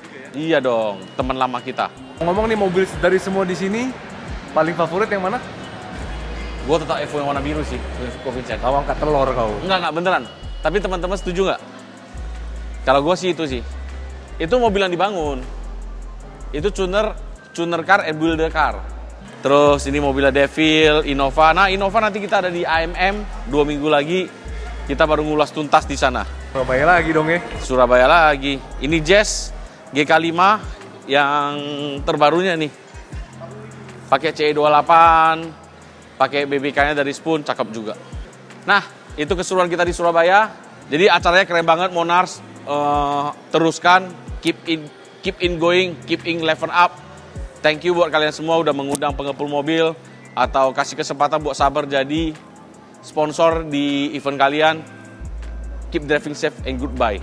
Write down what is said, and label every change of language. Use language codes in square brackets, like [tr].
[id] Iya dong, teman lama kita. Ngomong nih mobil dari semua di sini, paling favorit yang mana? Gua tetap Evo yang warna biru sih, Ko Vincent. Kau angkat telur kau. Enggak, beneran. Tapi teman-teman setuju nggak? Kalau gua sih itu sih. Itu mobil yang dibangun. [en] Itu tuner car and builder car. [id] Terus ini mobilnya Devil, Innova. Nah, Innova nanti kita ada di AMM, 2 minggu lagi. Kita baru ngulas tuntas di sana. Surabaya lagi dong ya. Surabaya lagi. Ini Jazz GK5 yang terbarunya nih. Pakai CE28, pakai BBK-nya dari Spoon, cakep juga. Nah, itu keseruan kita di Surabaya. Jadi acaranya keren banget, Monars. [en] Teruskan, keep in level up. Thank you [id] buat kalian semua udah mengundang pengepul mobil atau kasih kesempatan buat Sabar jadi sponsor di event kalian. [en] Keep driving safe and goodbye.